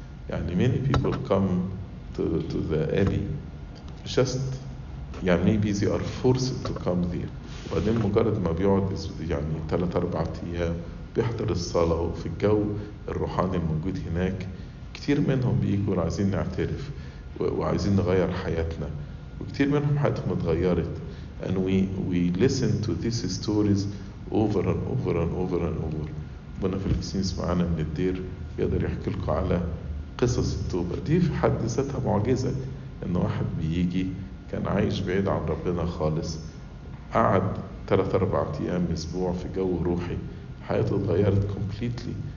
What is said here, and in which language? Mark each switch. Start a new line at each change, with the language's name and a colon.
English: يعني many people come to the alley just يعني maybe they are forced to come there.
Arabic: وبعدين مجرد ما بيقعد يعني 3-4 أيام بيحضر الصلاة وفي الجو الروحاني الموجود هناك كتير منهم بيقول عايزين نعترف وعايزين نغير حياتنا وكتير منهم حياتهم اتغيرت.
English: And we listen to these stories over and over and over and over.
Arabic: ربنا في الحسين سمعنا من الدير يقدر يحكي لكم على قصص التوبة دي في حد ذاتها معجزة. ان واحد بيجي كان عايش بعيد عن ربنا خالص قعد 3-4 أيام أسبوع في جو روحي حياته اتغيرت completely.